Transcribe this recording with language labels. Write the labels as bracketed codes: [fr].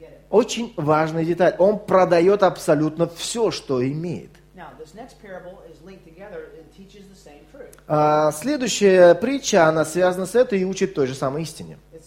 [ru] Очень важная деталь. Он продает абсолютно все, что имеет. [en] Now, this next parable is linked together and teaches the same truth. [ru] Следующая притча, она связана с этой и учит той же самой истине.